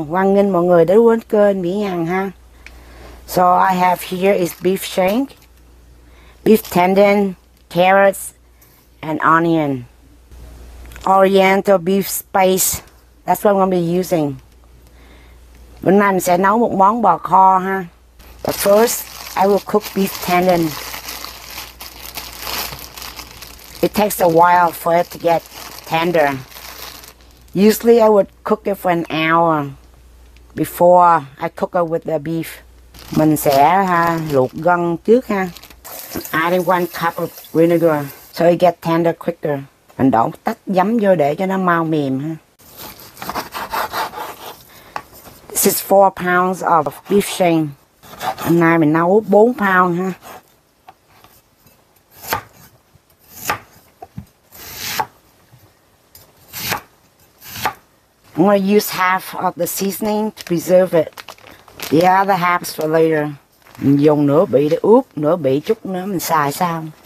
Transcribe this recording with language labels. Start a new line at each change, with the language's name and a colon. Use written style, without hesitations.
Vietnamese: Hoan nghênh mọi người đã đến với kênh Mỹ Hằng ha.
English: So I have here is beef shank, beef tendon, carrots, and onion. Oriental beef spice, that's what I'm going to be using.
Vietnamese: Bữa nay mình sẽ nấu một món bò kho ha.
English: But first, I will cook beef tendon. It takes a while for it to get tender. Usually I would cook it for an hour before I cook it with the beef.
Vietnamese: Mình sẽ luộc gân trước ha.
English: Adding 1 cup of vinegar so it gets tender quicker.
Vietnamese: Mình đổ tách giấm vô để cho nó mau mềm ha.
English: This is 4 pounds of beef shank.
Vietnamese: Hôm nay mình nấu 4 pound ha.
English: I'm going to use half of the seasoning to preserve it. The other half is for later.
Vietnamese: Mình dùng nửa bị để ướp, nửa bị chút nữa mình xài sao.